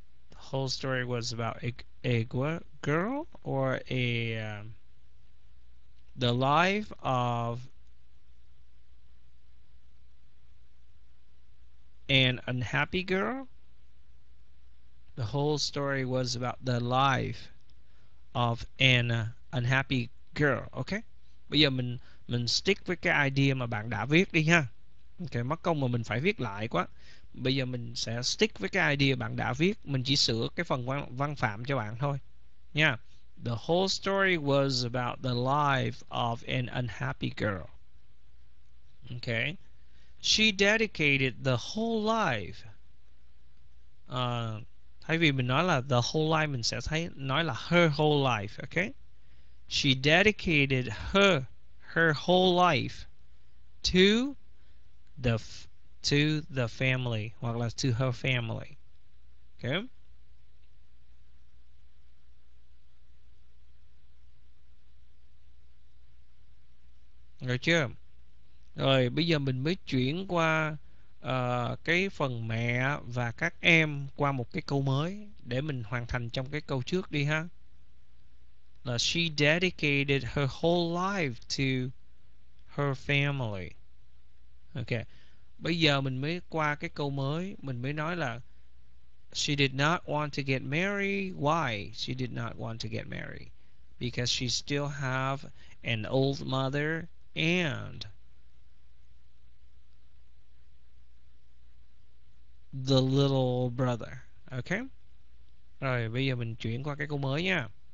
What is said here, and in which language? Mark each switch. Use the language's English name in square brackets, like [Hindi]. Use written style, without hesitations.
[English] The whole story was about a girl or the life of an unhappy girl? The whole story was about the life of an unhappy girl, okay? [Vietnamese] Bây giờ mình stick với cái idea mà bạn đã viết đi ha. Ok, mất công mà mình phải viết lại quá. Bây giờ mình sẽ stick với cái idea bạn đã viết, mình chỉ sửa cái phần văn phạm cho bạn thôi nha. [English] The whole story was about the life of an unhappy girl. Okay. She dedicated the whole life. [Vietnamese] Thay vì mình nói là [English] the whole life, [Vietnamese] mình sẽ thấy nói là [English] her whole life, [Vietnamese] okay? [English] She dedicated her whole life to the family, [Vietnamese] hoặc là [English] to her family. Okay? [Vietnamese] Được chưa? Rồi bây giờ mình mới chuyển qua cái phần mẹ và các em qua một cái câu mới để mình hoàn thành trong cái câu trước đi ha. [English] Là she dedicated her whole life to her family. Ok. [Vietnamese] Bây giờ mình mới qua cái câu mới, mình mới nói là [English] she did not want to get married. Why? She did not want to get married. Because she still have an old mother and the little brother. Ok. [Vietnamese] Rồi bây giờ mình chuyển qua cái câu mới nha.